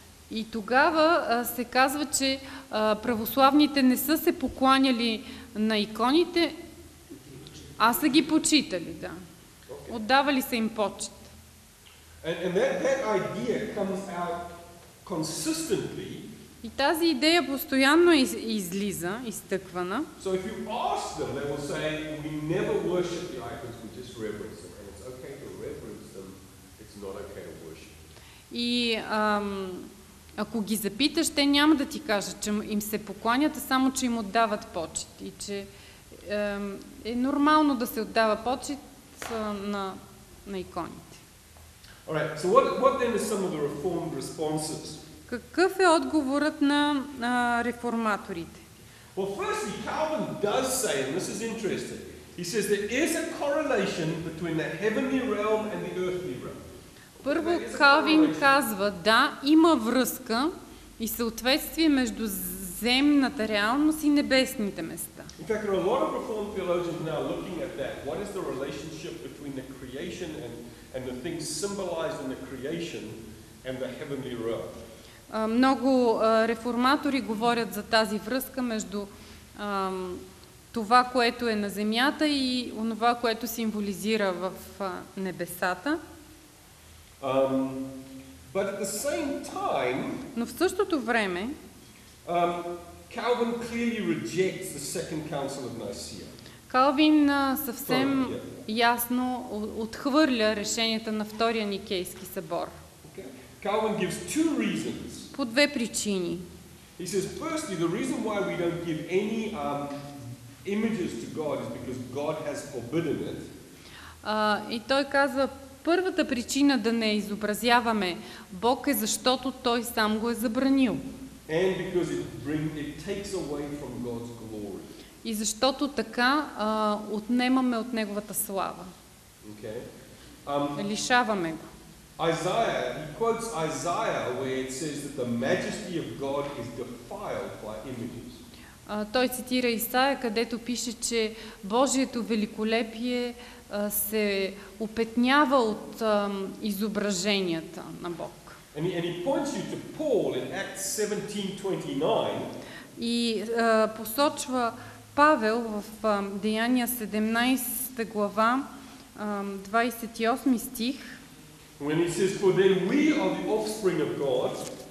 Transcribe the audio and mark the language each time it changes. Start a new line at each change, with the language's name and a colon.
Bulgarian: И тогава се казва, че православните не са се покланяли на иконите, а са ги почитали, да. Okay. Отдавали са им почет.
English: And that idea comes out consistently.
Bulgarian: И тази идея постоянно излиза, изтъквана.
English: So if you ask them, they will say, we never worship the icons, we just reverence them. And it's okay to reverence them, it's not okay to worship them.
Bulgarian: И ако ги запиташ, те няма да ти кажат, че им се покланят, а само, че им отдават почет. И че е нормално да се отдава почет на иконите.
English: Alright, so what then is some of the reformed responses?
Bulgarian: Какъв е отговорът на реформаторите?
English: Well, firstly, Calvin does say, and this is interesting, he says there is a correlation between the heavenly realm and the earthly realm.
Bulgarian: Първо Калвин казва, да, има връзка и съответствие между земната реалност и небесните места.
English: In fact, there are a lot of reformed theologians now looking at that. What is the relationship between the creation and the things symbolized in the creation and the heavenly realm?
Bulgarian: Много реформатори говорят за тази връзка между това, което е на земята и онова, което символизира в небесата.
English: But at the same time,
Bulgarian: но в същото време,
English: Calvin clearly rejects the Second Council of Nicaea.
Bulgarian: Calvin съвсем ясно отхвърля решенията на Втория Никейски събор.
English: Okay. Calvin gives two reasons.
Bulgarian: По две причини.
English: He says, firstly, the reason why we don't give any images to God is because God has forbidden it.
Bulgarian: И той казва, първата причина да не изобразяваме Бог е защото Той сам го е забранил.
English: And because it takes away from God's glory.
Bulgarian: И защото така отнемаме от Неговата слава.
English: Okay.
Bulgarian: Лишаваме го.
English: Isaiah, he quotes Isaiah where it says that the majesty of God is defiled by images.
Bulgarian: Той цитира Исаия, където пише, че Божието великолепие се опетнява от изображенията на Бог.
English: And he points you to Paul in Acts 17:29.
Bulgarian: И посочва Павел в Деяния 17 глава, 28 стих.
English: When he says, "For then we are the offspring of God."